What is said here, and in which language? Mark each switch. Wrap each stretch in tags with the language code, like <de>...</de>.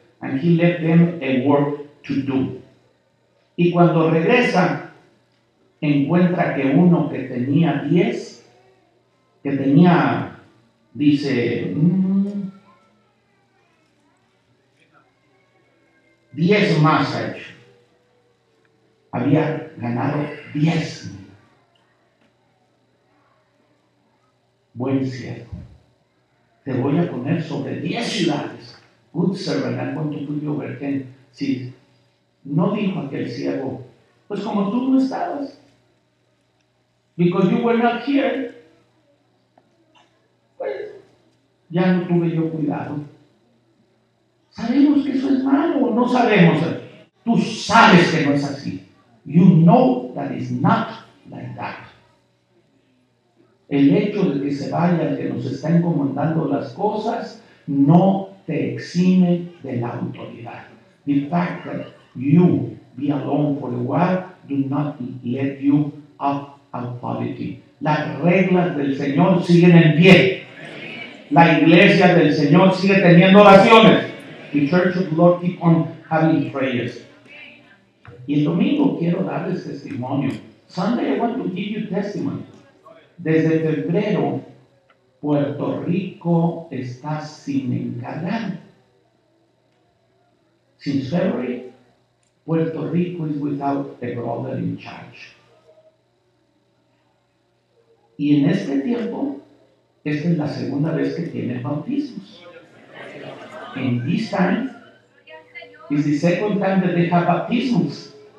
<en>And he left them a work to do.</en> <es>Y cuando regresa, encuentra que uno que tenía 10, que tenía, dice, 10 más hecho. Había ganado 10. Buen siervo. Te voy a poner sobre 10 ciudades.</es> <en>Good servant, I'm going to put you over 10.</en> <es>Sí. No dijo aquel siervo, pues como tú no estabas.</es> <en>Because you were not here.</en> <es>Ya no tuve yo cuidado. ¿Sabemos que eso es malo o no sabemos? Tú sabes que no es así.</es> <en>You know that is not like that.</en> <es>El hecho de que se vaya el que nos está encomendando las cosas no te exime de la autoridad.</es> <en>The fact that you be alone for a while do not let you off authority.</en> <es>Las reglas del Señor siguen en pie. La iglesia del Señor sigue teniendo oraciones.</es> <en>The church of the Lord keep on having prayers.</en> <es>Y el domingo quiero darles testimonio.</es> <en>Sunday I want to give you testimony.</en> <es>Desde febrero Puerto Rico está sin encargar.</es> <en>Sincerely, Puerto Rico is without a brother in charge.</en> <es>Y en este tiempo, esta es la segunda vez que tiene bautismos.</es> <en>In this time, is the second time that they have baptisms.</en>